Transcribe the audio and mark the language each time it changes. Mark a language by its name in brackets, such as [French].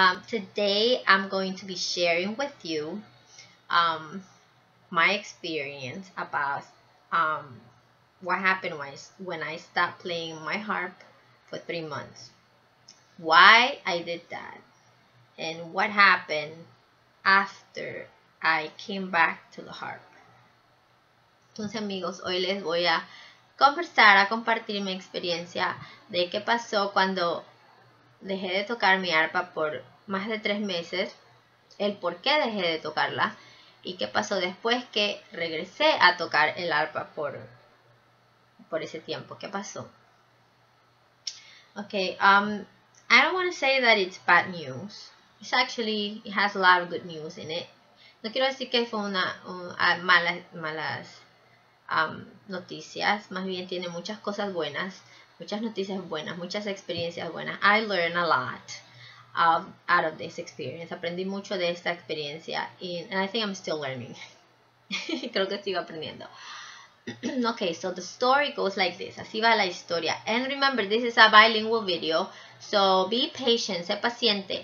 [English] Today I'm going to be sharing with you my experience about what happened when I stopped playing my harp for 3 months. Why I did that and what happened after I came back to the harp. [Spanish] Entonces amigos, hoy les voy a conversar, a compartir mi experiencia de qué pasó cuando dejé de tocar mi arpa por más de 3 meses, el por qué dejé de tocarla y qué pasó después que regresé a tocar el arpa por ese tiempo. ¿Qué pasó? [English] Okay, I don't want to say that it's bad news. It's actually, it has a lot of good news in it. [Spanish] No quiero decir que fue malas noticias, más bien tiene muchas cosas buenas, muchas noticias buenas, muchas experiencias buenas. [English] I learned a lot out of this experience. [Spanish] Aprendí mucho de esta experiencia [English] and I think I'm still learning. [Spanish] Creo que sigo aprendiendo. [English] Okay, so the story goes like this. [Spanish] Así va la historia. [English] And remember, this is a bilingual video, so be patient, [Spanish] sé paciente.